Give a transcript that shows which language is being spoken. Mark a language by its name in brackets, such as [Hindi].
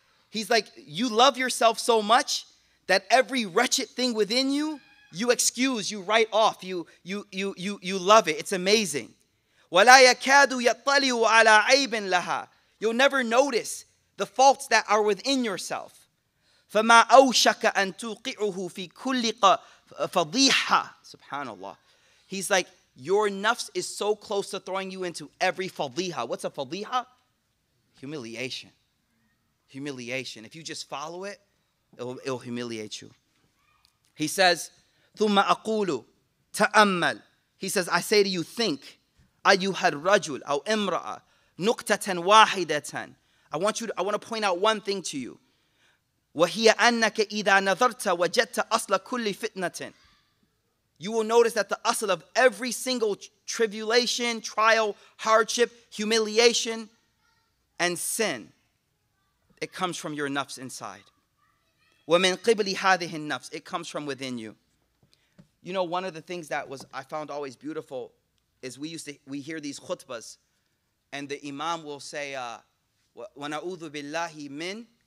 [English] He's like, you love yourself so much that every wretched thing within you, you excuse, you write off, you love it. It's amazing. [Arabic] وَلَا يَكَادُ يَطَّلِيُ عَلَىٰ عَيْبٍ لَهَا. [English] You'll never notice the faults that are within yourself. [Arabic] فَمَا أَوْشَكَ أَن تُوقِعُهُ فِي كُلِّ فَضِيحَ. SubhanAllah. [English] He's like, your nafs is so close to throwing you into every fadiha. What's a fadiha? Humiliation. Humiliation. If you just follow it, it'll humiliate you. He says, [Arabic] ثم أقول تأمل. [English] He says, I say to you, think. [Arabic] أيها الرجل أو امرأة نقطة واحدة. [English] I want to point out one thing to you. [Arabic] وهي أنك إذا نظرت وجدت أصل كل فتنة. [English] You will notice that the أصل of every single tribulation, trial, hardship, humiliation, and sin, it comes from your nafs inside. [Arabic] وَمِنْ قِبْلِ هَذِهِ النَّفْسِ. [English] It comes from within you. You know, one of the things that I found always beautiful is we hear these khutbas, and the imam will say, [Arabic] وَنَعُوذُ بِاللَّهِ مِنْ.